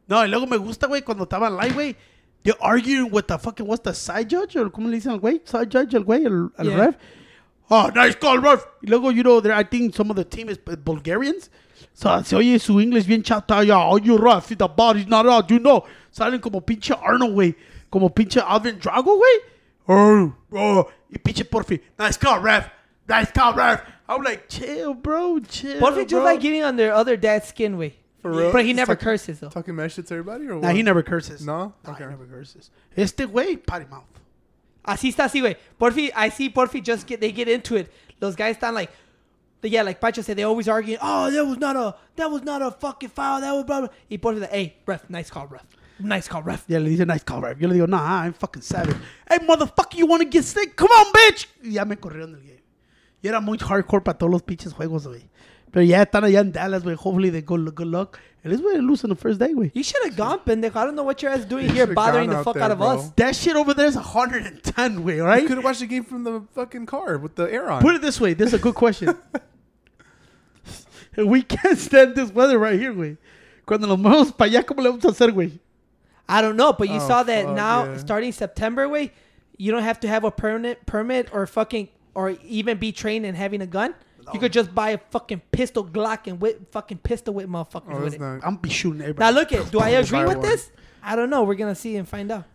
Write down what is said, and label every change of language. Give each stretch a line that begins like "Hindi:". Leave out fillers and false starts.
Spanish: No, y luego me gusta, güey, cuando estaba en live, güey.
English: They're arguing with the fucking, what's the side judge? Or
Spanish: como le dicen al güey?
English: Side judge, al güey, al ref? Oh, nice call, ref.
Spanish: Y luego,
English: you know, I think some of the team is Bulgarians. So,
Spanish: se oye su inglés bien chato.
English: Yeah, oh, you ref, the body's not out, you know.
Spanish: Salen como pinche Arnold, güey. Como pinche Alvin Drago, güey.
English: Oh, y pinche Porfi. Nice call, ref. Nice call, ref. I'm like, chill, bro, chill, Porfi just like getting on their other dad's skin, güey. For real? But he never curses, though. Talking mad shit to everybody, or what? Nah, he never curses. No? Okay. Nah, he never curses.
Spanish: Este güey,
English: potty mouth.
Spanish: Así está, así, güey.
English: Porfi, I see Porfi just get, they get into it. Those guys stand like, yeah, like Pacho said, they always arguing, oh, that was not a fucking foul, that was blah. Y Porfi's like, hey, ref, nice call, ref. Nice call, ref. Yeah, he's a nice call, ref.
Spanish: Yo le digo,
English: nah, I'm fucking savage. Hey, motherfucker, you want to get sick? Come on, bitch!
Spanish: Ya me corrieron del game. Y era muy hardcore para todos los pinches juegos, güey.
English: But yeah,
Spanish: están allá
English: in Dallas, güey. Hopefully they go good luck. At least we're losing the first day, güey. You should have gone, pendejo. I don't know what your ass doing here bothering the fuck out of us. That shit over there is 110, güey, right? You could have watched the game from the fucking car with the air on. Put it this way. This is a good question. We can't stand this weather right here, güey.
Spanish: Cuando nos vamos para allá, ¿cómo le vamos a hacer, güey?
English: I don't know, but you saw that now, yeah. Starting September, güey, you don't have to have a permit or fucking, or even be trained in having a gun. You could just buy a fucking pistol Glock and whip fucking pistol with motherfuckers with it. Nice. I'm be shooting everybody. Now look it. Do I agree with this? I don't know. We're going to see and find out.